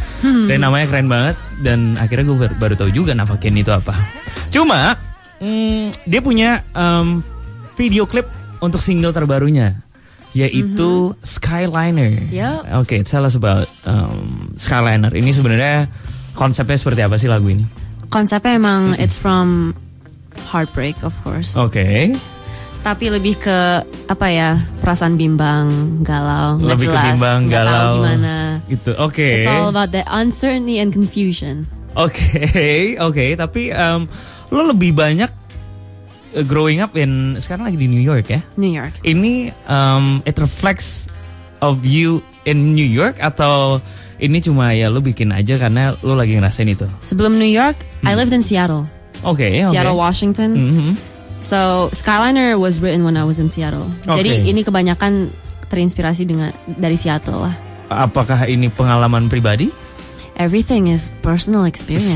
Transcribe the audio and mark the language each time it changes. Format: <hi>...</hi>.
<id>Dan namanya keren banget. Dan akhirnya gue baru tahu juga Nava Kane itu apa. Cuma dia punya video klip untuk single terbarunya. yaitu Skyliner.</id> <en>Yep. Okay, tell us about Skyliner.</en> <id>Ini sebenarnya konsepnya seperti apa sih lagu ini? Konsepnya emang</id> <en>it's from heartbreak, of course. Okay.</en> <id>Tapi lebih ke apa ya, perasaan bimbang, galau, nggak jelas, lebih ke bimbang, galau, gimana? Gitu. Okay.</id> <en>It's all about the uncertainty and confusion.</en> <id>Okay, okay. Tapi lo lebih banyak</id> <en>growing up in,</en> <id>sekarang lagi di New York ya? New York. Ini</id> <en>it reflects of you in New York</en> <id>atau ini cuma ya lo bikin aja karena lo lagi ngerasain itu? Sebelum</id> <en>New York, I lived in Seattle. Okay. Seattle, Washington. Mm-hmm. So Skyliner was written when I was in Seattle. Okay.</en> <id>Jadi ini kebanyakan terinspirasi dengan dari Seattle lah. Apakah ini pengalaman pribadi?</id> <en>Everything is personal experience.</en>